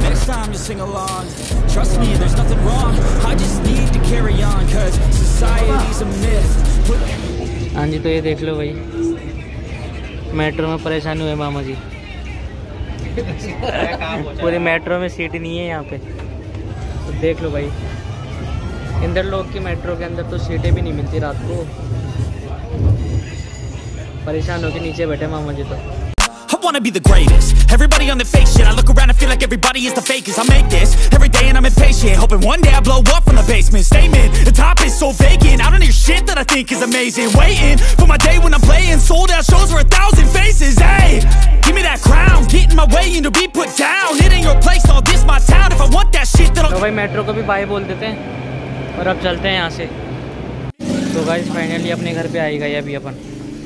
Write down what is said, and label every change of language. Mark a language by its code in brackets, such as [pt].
[en] Time to sing along, trust me there's nothing wrong, I just need to carry on, cause society's a myth. [hi] हाँ जी, तो ये देख लो भाई, metro में परेशानी हुए मामा जी, पूरी मेट्रो में सीट नहीं है यहाँ पे। तो देख लो भाई, इंदर लोग की मेट्रो के अंदर तो सीटें भी नहीं मिलती, रात को परेशान होकर नीचे बैठे मामा जी। तो [en] I wanna be the greatest. Everybody on the fake shit. I look around and feel like everybody is the fakest. I make this every day and I'm impatient, hoping one day I blow up from the basement. Statement, the top is so vacant. I don't hear shit that I think is amazing. Waiting for my day when I'm playing sold out shows for 1,000 faces. Hey, give me that crown. Get in my way and you'll be put down. It ain't your place, all this my town. If I want that shit, then I'll. [hi] तो भाई metro को भी bye बोल देते हैं और अब चलते हैं यहाँ से। तो गाइस फाइनली अपने घर पे आ गए अभी अपन।